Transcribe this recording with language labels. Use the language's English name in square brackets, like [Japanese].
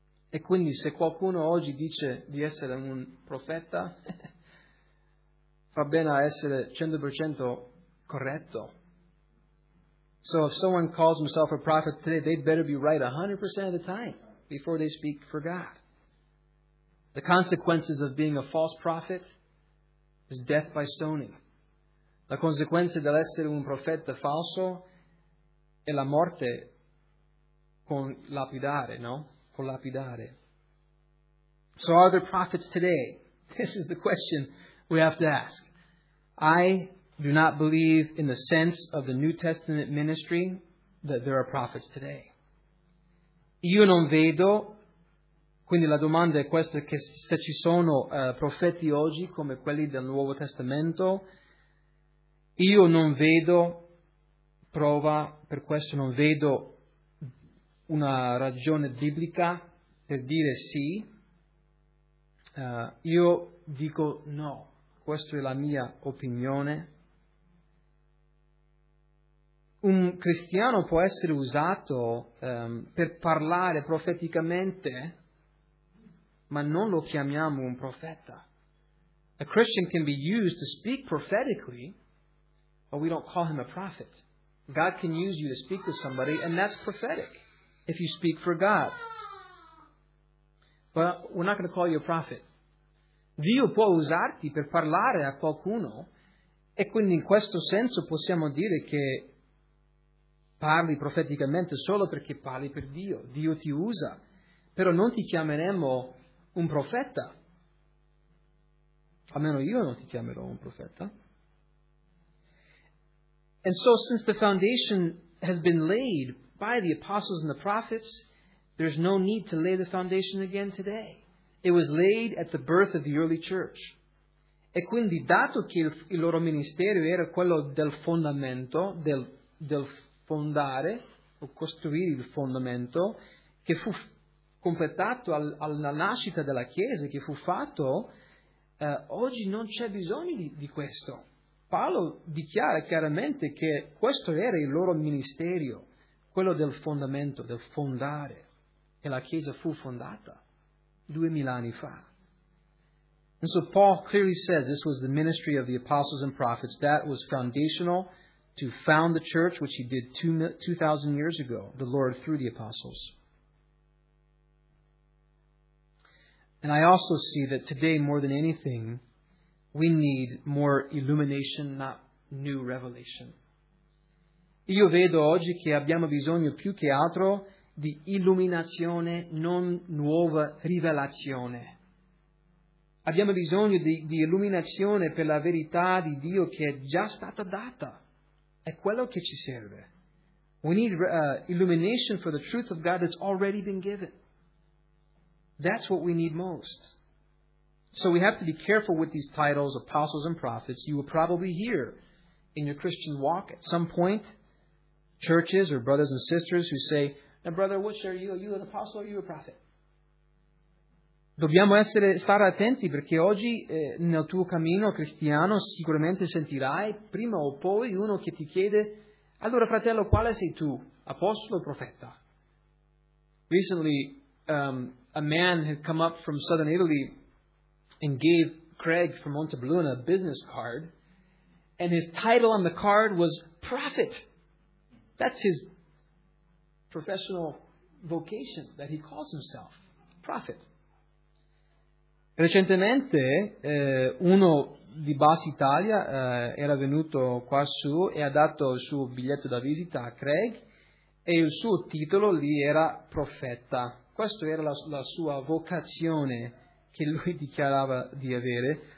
[Italian] E quindi se qualcuno oggi dice di essere un profeta, fa bene a essere 100% corretto. [English] So if someone calls himself a prophet today, they'd better be right 100% of the time before they speak for God. The consequences of being a false prophet is death by stoning. [Italian] La conseguenza dell'essere un profeta falso è la morte con lapidare, no? Con lapidare. [English] So are there prophets today? This is the question we have to ask. I do not believe in the sense of the New Testament ministry that there are prophets today. [Italian] Io non vedo, quindi la domanda è questa, che se ci sono profeti oggi come quelli del Nuovo Testamento, io non vedo prova per questo, non vedo una ragione biblica per dire sì. Io dico no, questa è la mia opinione. Un cristiano può essere usato per parlare profeticamente, ma non lo chiamiamo un profeta. [English] A Christian can be used to speak prophetically, but we don't call him a prophet. God can use you to speak with somebody, and that's prophetic, if you speak for God. But we're not going to call you a prophet. [Italian] Dio può usarti per parlare a qualcuno, e quindi in questo senso possiamo dire che parli profeticamente solo perché parli per Dio. Dio ti usa, però non ti chiameremo un profeta. Almeno io non ti chiamerò un profeta. [English] And so since the foundation has been laid by the apostles and the prophets, there's no need to lay the foundation again today. It was laid at the birth of the early church. [Italian] E quindi dato che il loro ministero era quello del fondamento, del fondare o costruire il fondamento, che fu completato alla nascita della Chiesa, che fu fatto, oggi non c'è bisogno di questo. Paolo dichiara chiaramente che questo era il loro ministero, quello del fondamento, del fondare, e la Chiesa fu fondata 2000 anni fa. [English] And so Paul clearly says this was the ministry of the apostles and prophets that was foundational to found the church, which he did 2,000 years ago, the Lord through the apostles. And I also see that today, more than anything, we need more illumination, not new revelation. [Italian] Io vedo oggi che abbiamo bisogno più che altro di illuminazione, non nuova rivelazione. Abbiamo bisogno di illuminazione per la verità di Dio che è già stata data. È quello che ci serve. [English] We need illumination for the truth of God that's already been given. That's what we need most. So we have to be careful with these titles, apostles and prophets. You will probably hear in your Christian walk at some point churches or brothers and sisters who say, "Now, brother, which are you? Are you an apostle or are you a prophet?" [Italian] Dobbiamo stare attenti perché oggi nel tuo cammino cristiano sicuramente sentirai prima o poi uno che ti chiede: "Allora, fratello, quale sei tu? Apostolo o profeta?" [English] Recently, a man had come up from southern Italy and gave Craig from Montebelluna a business card, and his title on the card was prophet. That's his professional vocation that he calls himself, prophet. [Italian] Recentemente uno di Bassi Italia era venuto qua su e ha dato il suo biglietto da visita a Craig, e il suo titolo lì era profeta. Questa era la sua vocazione che lui dichiarava di avere.